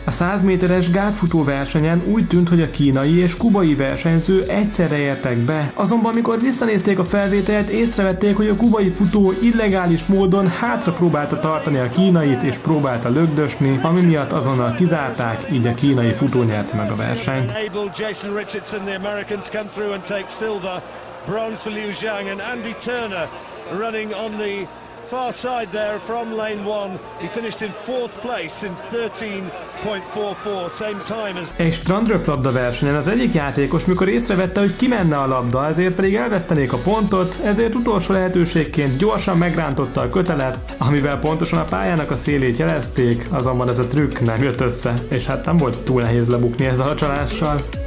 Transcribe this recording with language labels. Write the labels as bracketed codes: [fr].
[hu] A 100 méteres gátfutó versenyen úgy tűnt, hogy a kínai és kubai versenyző egyszerre értek be, azonban amikor visszanézték a felvételt, észrevették, hogy a kubai futó illegális módon hátra próbálta tartani a kínait és próbálta lögdösni, ami miatt azonnal kizárták, így a kínai futó nyert meg a versenyt. [en] Jason Richardson, the Americans come through and take silver, bronze for Liu Zhang and Andy Turner running on the far side there from lane 1. He finished in 4th place in 13.44, same time as... [hu] Egy strandröplabda versenyen az egyik játékos, mikor észrevette, hogy kimenne a labda, ezért pedig elvesztenék a pontot, ezért utolsó lehetőségként gyorsan megrántotta a kötelet, amivel pontosan a pályának a szélét jelezték, azonban ez a trükk nem jött össze, és hát nem volt túl nehéz lebukni ezzel a csalással.